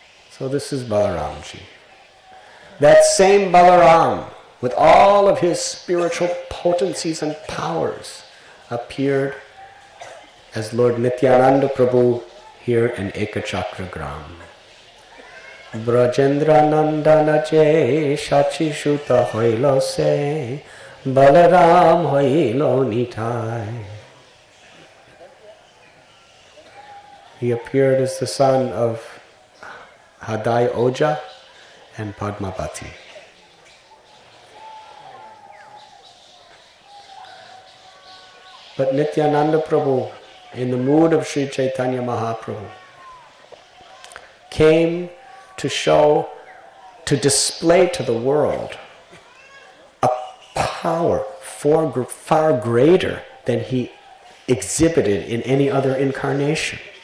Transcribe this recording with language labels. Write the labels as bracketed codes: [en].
[en] So this is Balaramji. That same Balaram, with all of his spiritual potencies and powers, appeared as Lord Nityananda Prabhu here in Ekachakra Gram. [bn] ব্রজেন্দ্রানন্দন যে সাচিসুত হইল সে বলরাম হইল নিঠায়। [en] He appeared as the son of Hadai Oja and Padmapati. But Nityananda Prabhu, in the mood of Sri Chaitanya Mahaprabhu, came to show, to display to the world a power far greater than he exhibited in any other incarnation.